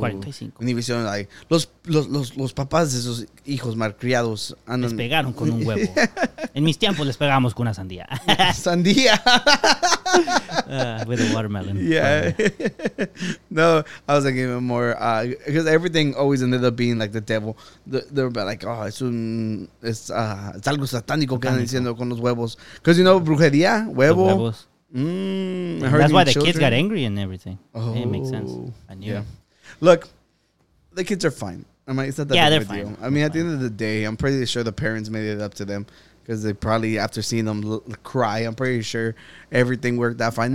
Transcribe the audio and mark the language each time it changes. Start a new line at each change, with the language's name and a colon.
Spanish: Univision, like, los papás de esos hijos malcriados. Les pegaron con un huevo. En mis tiempos les pegamos con una sandía. Sandía.
English: With a watermelon. Yeah. No, I was thinking more, because everything always ended up being like the devil. They're like, oh,
Spanish: es algo satánico que están diciendo con los huevos. Because, brujería, huevo. Huevos.
English: That's why the kids got angry and everything. Oh. It makes sense. I knew. Yeah. Look, the kids are fine. I mean, it's not that big of a deal. I mean, at the end of the day, I'm pretty sure the parents made it up to them. Because they probably, after seeing them cry, I'm pretty sure everything worked out fine.